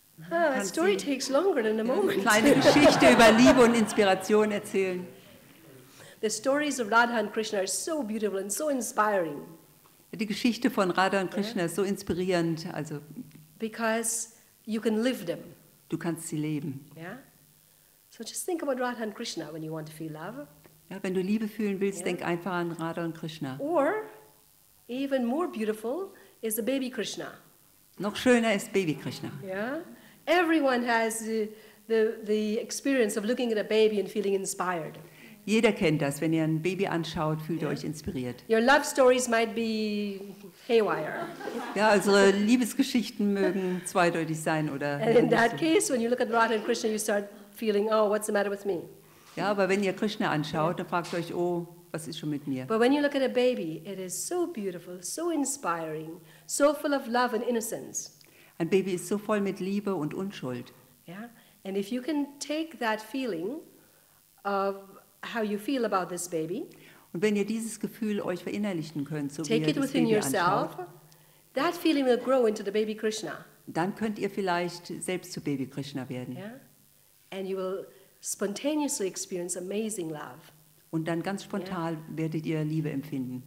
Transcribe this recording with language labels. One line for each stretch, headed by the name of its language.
English: Ah, a story takes longer than a moment.
German: Kleine Geschichte über Liebe und Inspiration erzählen.
English: The stories of Radha and Krishna are so beautiful and so inspiring.
German: Die Geschichte von Radha und Krishna ist so inspirierend, also.
English: Because you can live them.
German: Du kannst sie leben.
English: Yeah. So just think about Radha and Krishna when you want to feel love.
German: Ja, wenn du Liebe fühlen willst, denk einfach an Radha und Krishna.
English: Or, even more beautiful is the baby Krishna.
German: Noch schöner ist Baby Krishna.
English: Yeah. Everyone has the experience of looking at a baby and feeling inspired.
German: Jeder kennt das, wenn ihr ein Baby anschaut, fühlt ihr euch inspiriert.
English: Your love stories might be haywire.
German: Ja, unsere Liebesgeschichten mögen zweideutig sein, oder?
English: And in that case, when you look at Radha and Krishna, you start feeling, oh, what's the matter with me?
German: Ja, aber wenn ihr Krishna anschaut, dann fragt ihr euch, oh, was ist schon mit mir?
English: But when you look at a baby, it is so beautiful, so inspiring, so full of love and innocence.
German: Ein Baby ist so voll mit Liebe und Unschuld.
English: Yeah, and if you can take that feeling of how you feel about this baby,
German: und wenn ihr dieses Gefühl euch verinnerlichen könnt, so
English: take it within yourself, that feeling will grow into the baby Krishna.
German: Dann könnt ihr vielleicht selbst zu Baby Krishna werden.
English: Yeah, and you will spontaneously experience amazing love.
German: Und dann ganz spontan werdet ihr Liebe empfinden.